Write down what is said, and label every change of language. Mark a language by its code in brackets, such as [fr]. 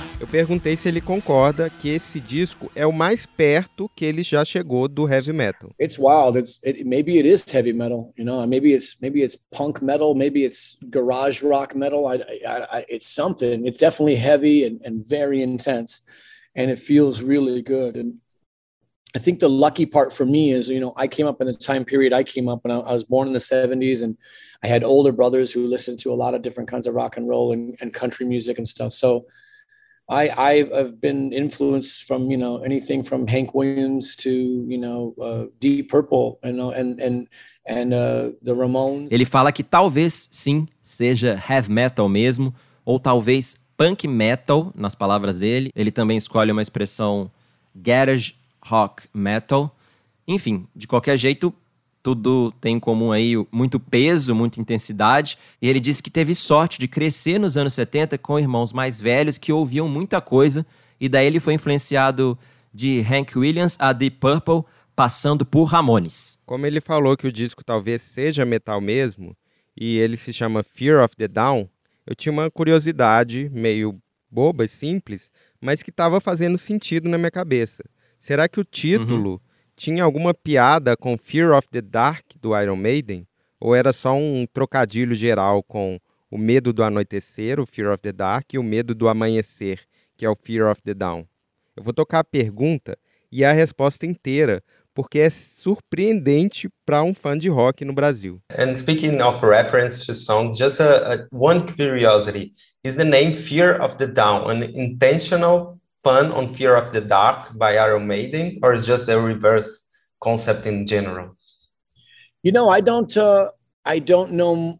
[pt] Perguntei se ele concorda que esse disco é o mais perto que ele já chegou do heavy metal. [en] It's wild. Maybe it is heavy metal, you know? Maybe it's punk metal, maybe it's garage rock metal. It's something. It's definitely heavy and very intense and it feels really good. And I think the lucky part for me is, you know, I came up in a time period. I came up when I was born in the 70s and I had older brothers who listened to a lot of different kinds of rock and roll and country music and stuff. So I've been influenced from, you know, anything from Hank Williams to, you know, Deep Purple and the Ramones. [pt] Ele fala que talvez sim seja heavy metal mesmo, ou talvez punk metal, nas palavras dele. Ele também escolhe uma expressão garage rock metal. Enfim, de qualquer jeito, tudo tem em comum aí muito peso, muita intensidade. E ele disse que teve sorte de crescer nos anos 70 com irmãos mais velhos que ouviam muita coisa. E daí ele foi influenciado de Hank Williams a Deep Purple, passando por Ramones. Como ele falou que o disco talvez seja metal mesmo, e ele se chama Fear of the Dawn, eu tinha uma curiosidade meio boba e simples, mas que estava fazendo sentido na minha cabeça. Será que o título... tinha alguma piada com Fear of the Dark do Iron Maiden? Ou era só um trocadilho geral com o medo do anoitecer, o Fear of the Dark, e o medo do amanhecer, que é o Fear of the Dawn? Eu vou tocar a pergunta e a resposta inteira, porque é surpreendente para um fã de rock no Brasil. [en] And speaking of reference to songs, just one curiosity. Is the name Fear of the Dawn an intentional pun on Fear of the Dark by Iron Maiden, or is just a reverse concept in general? You know, I don't know.